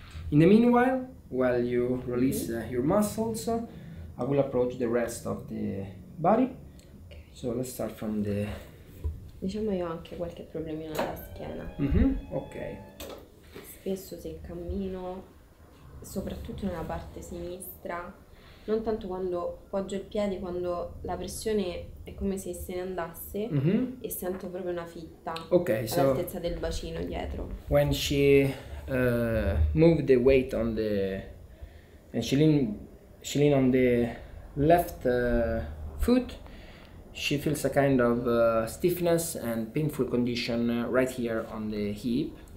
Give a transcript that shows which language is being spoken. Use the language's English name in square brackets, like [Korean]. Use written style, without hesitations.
[English] In the meanwhile, while you release your muscles, I will approach the rest of the body. Okay. So let's start from the... [Italian] Diciamo io ho anche qualche problemino alla schiena. Ok. Spesso se cammino, soprattutto nella parte sinistra, non tanto quando poggio il piede, quando la pressione è come se se ne andasse e sento proprio una fitta [English] Okay, so [Italian] all'altezza del bacino dietro. [English] when she moved the weight on the and she lean on the left foot, she feels a kind of stiffness and painful condition right here on the hip.